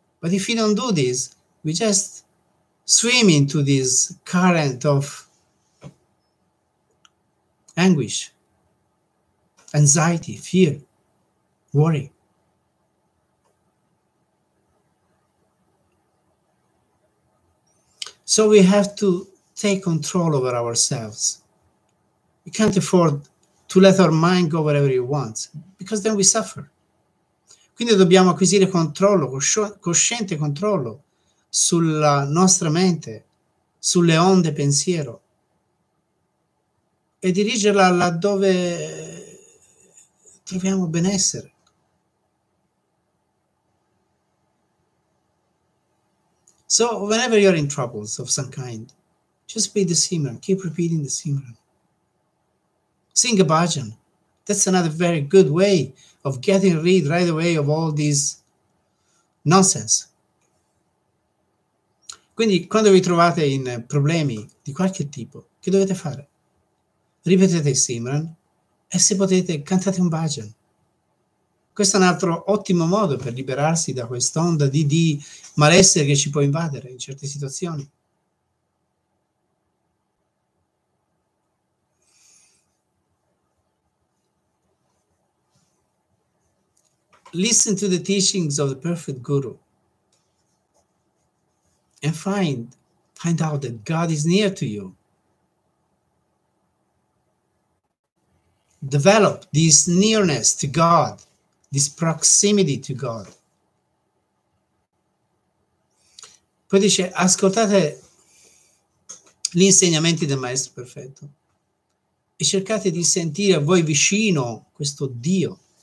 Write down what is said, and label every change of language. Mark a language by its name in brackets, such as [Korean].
[English] But if we don't do this, we just swim into this current of anguish, anxiety, fear, worry. So we have to take control over ourselves. We can't afford to let our mind go wherever it wants, because then we suffer. [Italian] Quindi dobbiamo acquisire controllo, cosciente controllo sulla nostra mente, sulle onde pensiero, e dirigerla laddove troviamo benessere. [English] So whenever you're in troubles of some kind, just be the Simran, keep repeating the Simran. Sing a bhajan. That's another very good way of getting rid right away of all this nonsense. [Italian] Quindi quando vi trovate in problemi di qualche tipo, che dovete fare? Ripetete il Simran e se potete cantate un bhajan. Questo è un altro ottimo modo per liberarsi da quest'onda di malessere che ci può invadere in certe situazioni. [English] Listen to the teachings of the perfect guru and find out that God is near to you. develop this nearness to God, this proximity to God. [Italian] Poi dice, ascoltate gli insegnamenti del Maestro Perfetto e cercate di sentire a voi vicino questo Dio.